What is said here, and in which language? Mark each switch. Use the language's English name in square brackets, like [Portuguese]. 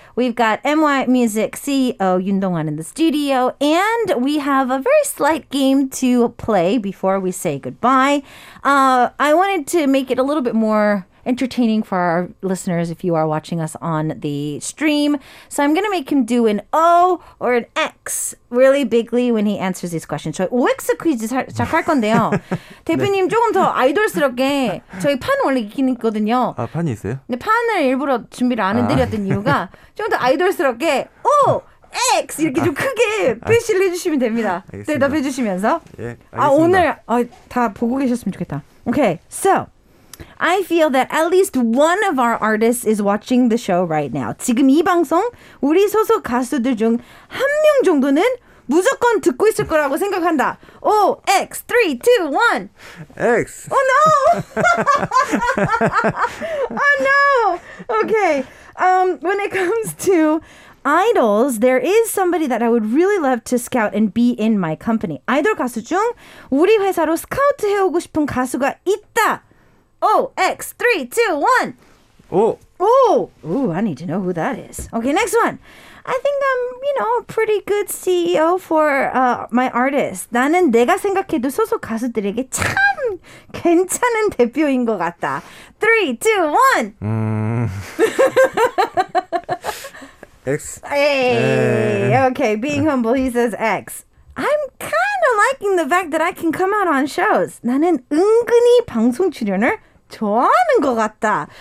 [English] We've got MY Music CEO Yoon Dong-hwan in the studio, and we have a very slight game to play before we say goodbye. I wanted to make it a little bit more entertaining for our listeners if you are watching us on the stream. So I'm going to make him do an O or an X really bigly when he answers these questions. [Korean] So OX 퀴즈 시작할 건데요. 대표님 네. 조금 더 아이돌스럽게 저희 판 원래 익히는 있거든요. 아, 판이 있어요? 근데 판을 일부러 준비를 안 해드렸던 이유가 좀 더 아이돌스럽게 O, X 이렇게 좀 크게 표시를 해주시면 됩니다. 알겠습니다. 대답해주시면서. 예, 알겠습니다. 아, 오늘 다 보고 계셨으면 좋겠다. [English] 오케이, so I feel that at least one of our artists is watching the show right now. [Korean] 지금 이 방송 우리 소속 가수들 중 한 명 정도는 무조건 듣고 있을 거라고 생각한다. [English] O, X, 3, 2, 1. X. Oh, no. Oh, no. Okay. When it comes to idols, there is somebody that I would really love to scout and be in my company. [Korean] 아이돌 가수 중 우리 회사로 스카우트 해오고 싶은 가수가 있다. [English] O, X, 3, 2, 1. Oh. Oh, I need to know who that is. Okay, next one. I think I'm, you know, a pretty good CEO for my artist. [Korean] 나는 내가 생각해도 소속 가수들에게 참 괜찮은 대표인 것 같다. [English] 3, 2, 1. X. Hey. Okay, being humble, he says X. I'm kind of liking the fact that I can come out on shows. [Korean] 나는 은근히 방송 출연을 좋아하는 것 같다.